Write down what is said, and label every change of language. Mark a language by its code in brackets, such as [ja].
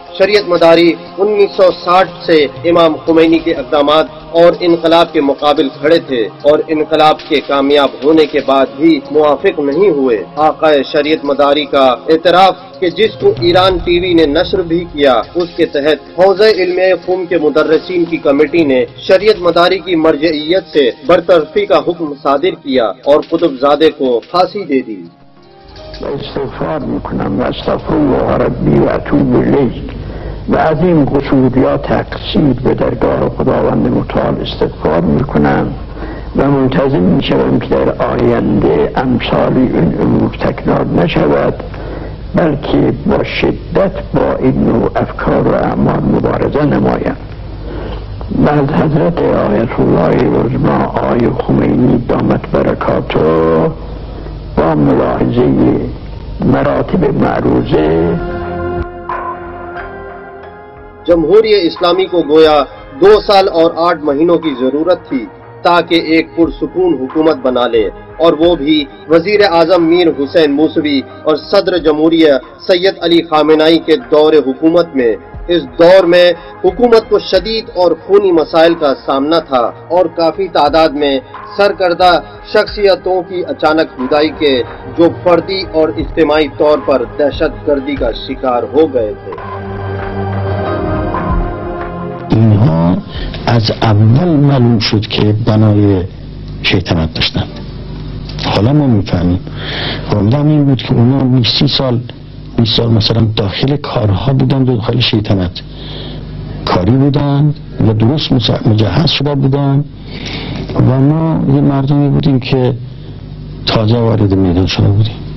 [ur] شریعت مداری 1960 سے امام خمینی کے اقدامات اور انقلاب کے مقابل کھڑے تھے اور انقلاب کے کامیاب ہونے کے بعد بھی موافق نہیں ہوئے۔ آقائے شریعت مداری کا اعتراف کہ جس کو ایران ٹی وی نے نشر بھی کیا، اس کے تحت حوزہ علمی قوم کے مدرسین کی کمیٹی نے شریعت مداری کی مرجعیت سے برطرفی کا حکم صادر کیا اور قطب زادے کو پھانسی دے دی۔ [fa] استعفا میکنم و [ar] استغفرالله ربی و اتوب الیه [fa] و از این قصور یا تقصیر به درگاه خداوند متعال استغفار میکنم و منتظر میشوم که در آینده امثالی این امور تکرار نشود، بلکه با شدت با این نوع افکار و اعمال مبارزه نمایم. بعد حضرت آیت الله العظمی آی خمینی دامت برکاته با ملاحظه مراتب معروضه [ur] جمہوری اسلامی کو گویا 2 سال اور 8 مہینوں کی ضرورت تھی تاکہ ایک پرسکون حکومت بنا لے، اور وہ بھی وزیر اعظم میر حسین موسوی اور صدر جمہوریہ سید علی خامنائی کے دور حکومت میں۔ اس دور میں حکومت کو شدید اور خونی مسائل کا سامنا تھا اور کافی تعداد میں سرکردہ شخصیتوں کی اچانک جدائی کے جو فردی اور اجتماعی طور پر دہشت گردی کا شکار ہو گئے تھے۔ [fa] اینها از اول معلوم شد که بنای شیطنت داشتن، حالا ما میفهمیم رمضان این بود که اونا 20 سال مثلا داخل کارها بودن، داخل شیطنت کاری بودن و درست مجهز شده بودن و ما یه مردمی بودیم که تازه وارد میدان شده بودیم.